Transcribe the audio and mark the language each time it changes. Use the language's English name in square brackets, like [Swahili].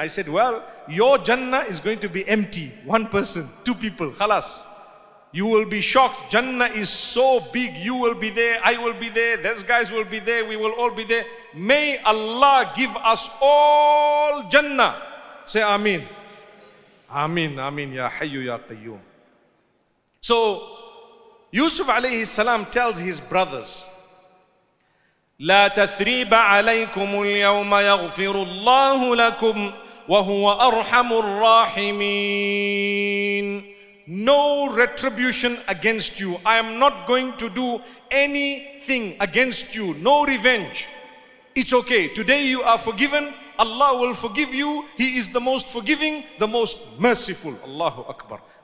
[English] I said, well, your Jannah is going to be empty. One person, two people, khalas. You will be shocked. Jannah is so big. You will be there. I will be there. These guys will be there. We will all be there. May Allah give us all Jannah. Say Ameen. Ameen, Ameen, Ya Hayyu, Ya Qayyum. So Yusuf alayhi salam tells his brothers, [Arabic] لا تثريب عليكم اليوم يغفر الله لكم وهو أرحم الراحمين. [English] No retribution against you. I am not going to do anything against you. No revenge. It's okay. Today you are forgiven. Allah will forgive you. He is the most forgiving, the most merciful. Allahu Akbar.